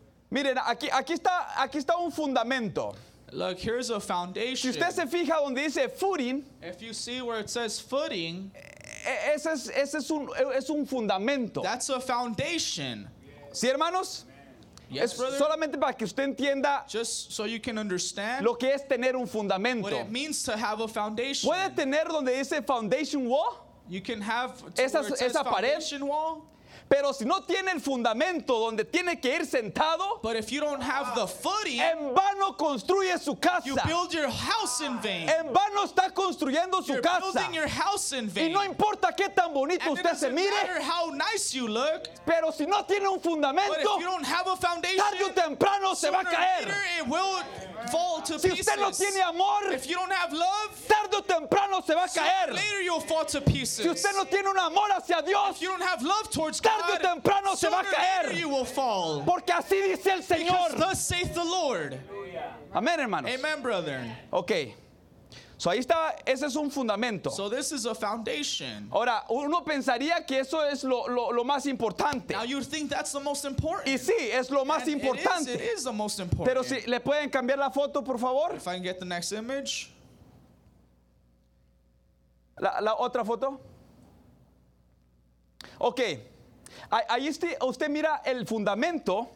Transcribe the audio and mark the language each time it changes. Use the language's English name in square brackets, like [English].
[Spanish] Miren, aquí está un fundamento. [English] Look, here's a foundation. [Spanish] Si usted se fija donde dice footing, [English] if you see where it says footing, [Spanish] ese es un fundamento. [English] That's a foundation. [Spanish] ¿Sí, hermanos? [English] Yes, brother. [Spanish] Solamente para que usted entienda, [English] just so you can understand, [Spanish] lo que es tener un fundamento. [English] What it means to have a foundation. [Spanish] ¿Puede tener donde dice foundation wall? [English] You can have [Spanish] esa [English] foundation [Spanish] pared. [English] Wall. [Spanish] Pero si no tiene el fundamento donde tiene que ir sentado, [English] but if you don't have the footing, [Spanish] en vano construye su casa. [English] You build your house in vain. [Spanish] En vano está construyendo su [English] You're [Spanish] casa. [English] Building your house in vain. [Spanish] Y no importa qué tan bonito [English] and [Spanish] usted se mire, [English] how nice you look, [Spanish] pero si no tiene un fundamento, [English] but if you don't have a foundation, [Spanish] tarde o temprano se va a caer. [English] Later, it will fall to [Spanish] si usted [English] pieces. [Spanish] No tiene amor, [English] if you don't have love, [Spanish] tarde o temprano se va a caer. [English] Later, you'll fall to pieces. [Spanish] Si usted no tiene un amor hacia Dios, [English] if you don't have love towards God, [Spanish] tarde o temprano se va a caer. Porque así dice el Señor. [English] Thus saith the Lord. [Spanish] Amén, hermanos. [English] Amen, brother. Okay. [Spanish] So ahí está, ese es un fundamento. [English] So this is a foundation. [Spanish] Ahora, uno pensaría que eso es lo más importante. [English] Now you think that's the most important. [Spanish] Y sí, es lo más [English] and [Spanish] importante. [English] It is the most important. [Spanish] Pero si le pueden cambiar la foto, por favor. [English] If I can get the next image. [Spanish] La otra foto. [English] Okay. [Spanish] Ahí usted mira el fundamento.